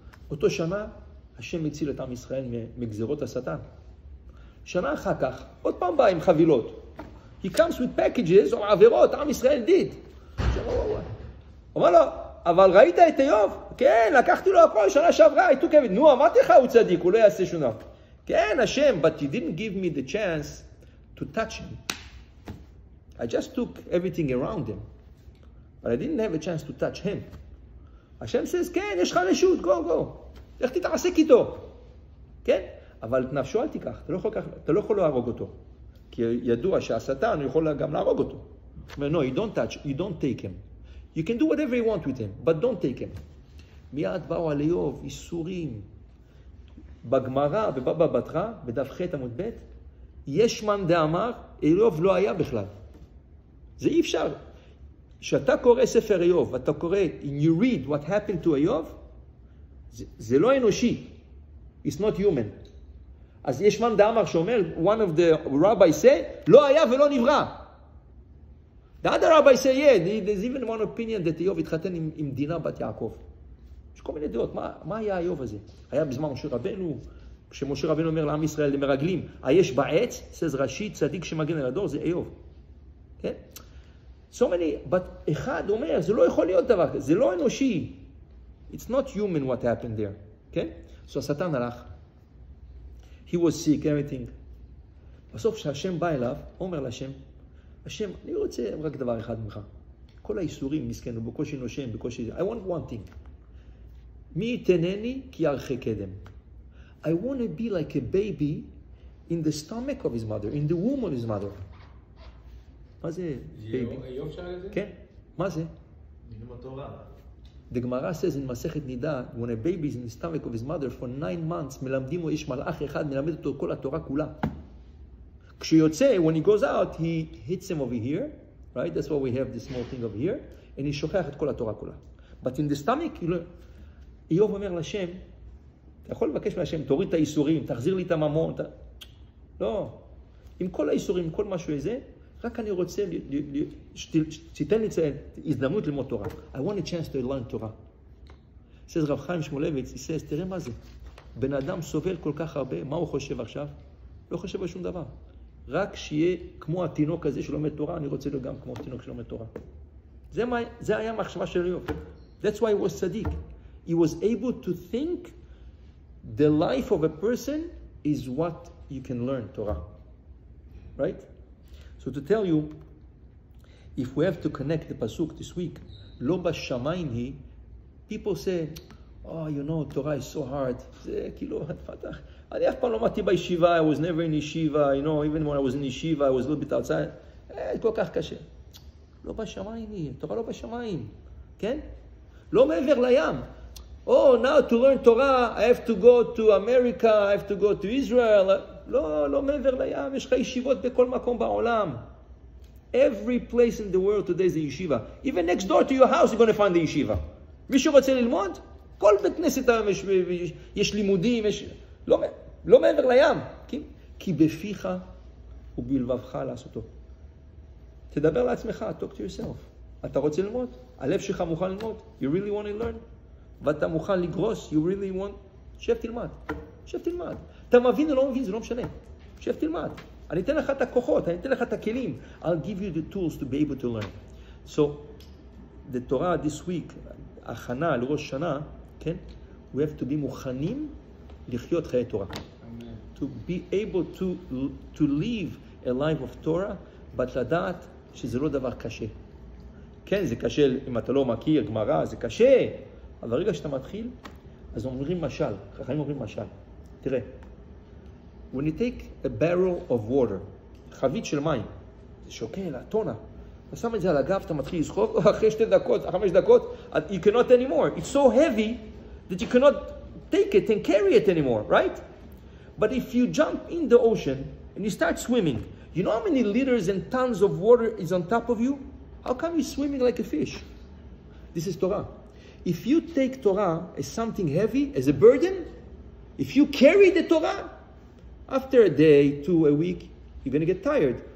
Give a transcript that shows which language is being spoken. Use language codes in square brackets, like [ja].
[he] אותו שנה, השם הציל את עם ישראל מגזרות השטן. שנה אחר כך, עוד פעם בא עם חבילות. [en] He comes with packages or [he] עבירות, עם ישראל did. אומר לו, אבל ראית את איוב? כן, לקחתי לו הכל שנה שעברה, איתו כבד. נו, אמרתי לך, הוא צדיק, הוא לא יעשה שונה. [en] כן, השם, but you didn't give me the chance to touch him. I just took everything around him. But I didn't have a chance to touch him. [he] השם says, כן, יש לך רשות, [en] go, go. [he] איך תתעסק איתו? כן? אבל את נפשו אל תיקח, אתה לא יכול להרוג אותו. כי ידוע שהשטן יכול גם להרוג אותו. [en] אומר, no, you don't touch, you don't take him. You can do whatever you want with him, but don't take him. [he] מיד באו על איוב, איסורים. בגמרא, בבבא בתרא, בדף ח' עמוד ב', יש מן דאמר, איוב לא היה בכלל. זה אי אפשר. כשאתה קורא ספר איוב, אתה קורא, [en] and you read what happened to [he] איוב, זה לא אנושי. [en] It's not human. [he] אז יש מן דאמר שאומר, [en] one of the rabbis say, [he] לא היה ולא נברא. [en] The other rabbi say, yeah, there's even one opinion that [he] איוב התחתן עם דינה בת יעקב. יש כל מיני דעות, מה היה איוב הזה? היה בזמן משה רבנו, כשמשה רבנו אומר לעם ישראל, למרגלים, היש בעץ, סז ראשי, צדיק שמגן על הדור, זה איוב. כן? [en] So many, but [he] אחד אומר, זה לא יכול להיות דבר, זה לא אנושי. [en] It's not human what happened there. כן? So [he] השטן הלך. [en] He was sick, everything. [he] בסוף שהשם בא אליו, אומר לשם, השם, אני רוצה רק דבר אחד ממך. כל האיסורים נזכנו, בקושי נושם, בקושי... [en] I want one thing. [he] מי יתנני כי ירחי קדם. [en] I want to be like a baby in the stomach of his mother, in the womb of his mother. [he] מה זה baby? איוב שאל את זה? כן, מה זה? מילים התורה. [en] The Gemara says in Masechet Nida, when a baby is in the stomach of his mother for 9 months, [he] מלמדים לו, יש מלאך אחד, מלמד אותו כל התורה כולה. [en] כשיוצא, when he goes out, he hits him over here, right? That's why we have this small thing over here, and he [he] שוכח את כל התורה כולה. [en] But in the stomach, [he] איוב אומר לשם, אתה יכול לבקש מהשם, תוריד את האיסורים, תחזיר לי את הממון, לא. עם כל האיסורים, כל משהו הזה, רק אני רוצה שתיתן לי הזדמנות ללמוד תורה. [en] I want a chance to learn Torah. says רב חיים שמולביץ, he says, [he] תראה מה זה. בן אדם סובל כל כך הרבה, מה הוא חושב עכשיו? לא חושב על שום דבר. רק שיהיה כמו התינוק הזה שלומד תורה, אני רוצה להיות גם כמו התינוק שלומד תורה. זה היה המחשבה של איוב. [en] That's why he was tzaddik. He was able to think the life of a person is what you can learn Torah. Right? So to tell you, if we have to connect the pasuk this week, [he] לא בשמיים היא, [en] people say, oh, you know, Torah is so hard. [he] זה כאילו, אני אף פעם לא מתי בישיבה, [en] I was never in yeshiva, you know, even when I was in yeshiva, I was a little bit outside. [he] כל כך קשה. לא בשמיים היא, תורה לא בשמיים. כן? לא מעבר לים. [en] Oh, now to learn Torah, I have to go to America, I have to go to Israel. [he] לא מעבר לים, יש לך ישיבות בכל מקום בעולם. [en] Every place in the world today is a yeshiva. Even next door to your house, you're going to find the yeshiva. [he] מישהו רוצה ללמוד? כל בית כנסת היום יש לימודים, יש... לא מעבר לים. כי בפיך ובלבבך לעשותו. תדבר לעצמך, [en] talk to yourself. [he] אתה רוצה ללמוד? הלב שלך מוכן ללמוד? [en] You really want to learn? [he] ואתה מוכן לגרוס? [en] You really want? [he] שב תלמד. שב תלמד. אתה מבין או לא מבין, זה לא משנה. שב תלמד. אני אתן לך את הכוחות, אני אתן לך את הכלים. [en] I'll give you the tools to be able to learn. So, the Torah this week, הכנה לראש שנה, כן? We have to be [he] מוכנים לחיות חיי תורה. [en] To be able to live a life of Torah, but [he] לדעת שזה לא דבר קשה. כן, זה קשה אם אתה לא מכיר גמרא, זה קשה. אבל רגע שאתה מתחיל, אז אומרים משל, חכמים אומרים משל. תראה. [en] When you take a barrel of water, [he] חבית של מים, זה שוקל, הטונה, אתה שם את זה על הגב, אתה מתחיל לזחוק, אחרי שתי דקות, חמש דקות, [en] you cannot anymore. It's so heavy that you cannot take it and carry it anymore, right? But if you jump in the ocean and you start swimming, you know how many liters and tons of water is on top of you? How come you're swimming like a fish? This is Torah. If you take Torah as something heavy, as a burden, if you carry the Torah, after a day, two, a week, you're going to get tired.